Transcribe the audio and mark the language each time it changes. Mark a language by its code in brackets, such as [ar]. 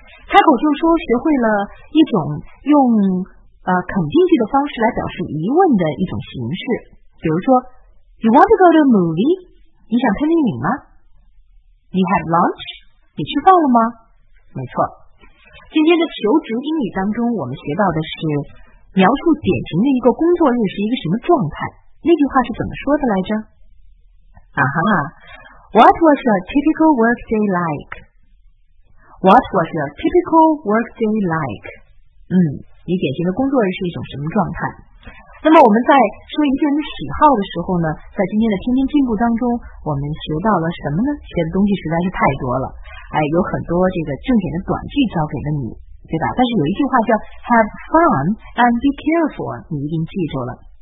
[zh] 开口就说学会了一种用肯定句的方式来表示疑问的一种形式，比如说 [en] You want to go to a movie? [zh] 你想看电影吗？ [en] You have lunch? [zh] 你吃饭了吗？没错，今天的求职英语当中我们学到的是描述典型的一个工作日是一个什么状态，那句话是怎么说的来着？ [en] What was your typical work day like? What was your typical work day like? [zh] 你典型的工作日是一种什么状态？那么我们在说一个人的喜好的时候呢，在今天的天天进步当中我们学到了什么呢？学的东西实在是太多了，有很多这个正经的短句教给了你，对吧？但是有一句话叫 [en] Have fun and be careful， [zh] 你一定记住了。